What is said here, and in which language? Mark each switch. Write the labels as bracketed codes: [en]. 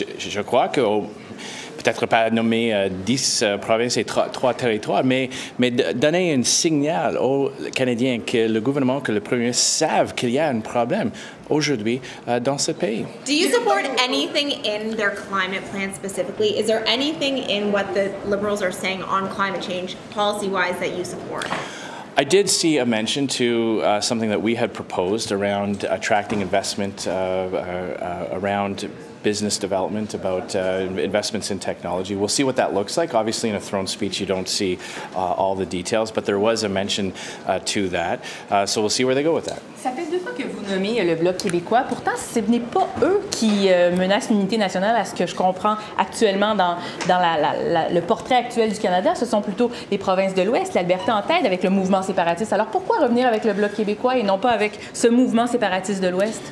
[fr] Je crois que, peut-être pas nommer 10 provinces et 3 territoires, mais donner un signal aux Canadiens que le gouvernement, que le premier ministre savent qu'il y a un problème aujourd'hui dans ce pays. [en] Do you support anything in their climate plan specifically? Is there anything in what the Liberals are saying on climate change policy-wise that you support? I did see a mention to something that we had proposed around attracting investment around business development, about investments in technology. We'll see what that looks like. Obviously, in a throne speech, you don't see all the details, but there was a mention to that. So we'll see where they go with that. [fr] Ça fait deux fois que vous nommez le Bloc québécois. Pourtant, ce n'est pas eux qui menacent l'unité nationale, à ce que je comprends actuellement dans le portrait actuel du Canada. Ce sont plutôt les provinces de l'Ouest, l'Alberta en tête, avec le mouvement séparatiste. Alors, pourquoi revenir avec le Bloc québécois et non pas avec ce mouvement séparatiste de l'Ouest?